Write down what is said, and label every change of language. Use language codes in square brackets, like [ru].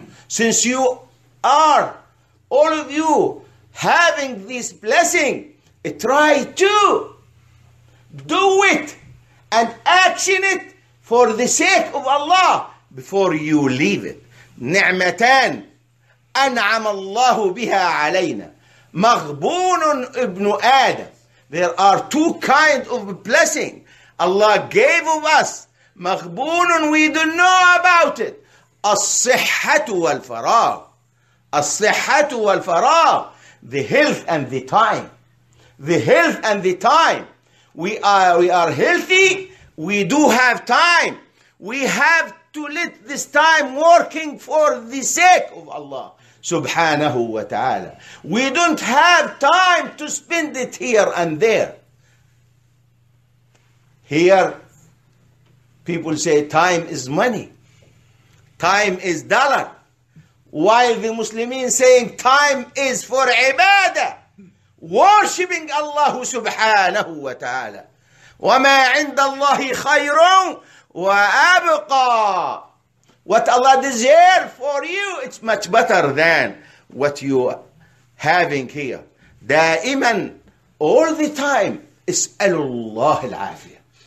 [en] Since you are, all of you, having this blessing, try to do it and action it for the sake of Allah before you leave it. [ar] نعمتان أنعم الله بها علينا مغبون ابن آدم. [en] There are two kinds of blessing Allah gave of us. مغبون, we don't know about it. [ar] الصحة والفراغ. الصحة والفراغ. [en] The health and the time. The health and the time. We are healthy. We do have time. We have to let this time working for the sake of Allah subhanahu wa ta'ala. We don't have time to spend it here and there. Here, people say time is money. Time is dollar. While the Muslimin saying time is for ibadah, worshipping Allah subhanahu wa ta'ala. [ar] وَمَا عِنْدَ اللَّهِ خَيْرٌ وَأَبْقَى. [en] What Allah deserves for you, it's much better than what you are having here. [ar] دائماً, [en] all the time, [ar] اسأل الله العافية.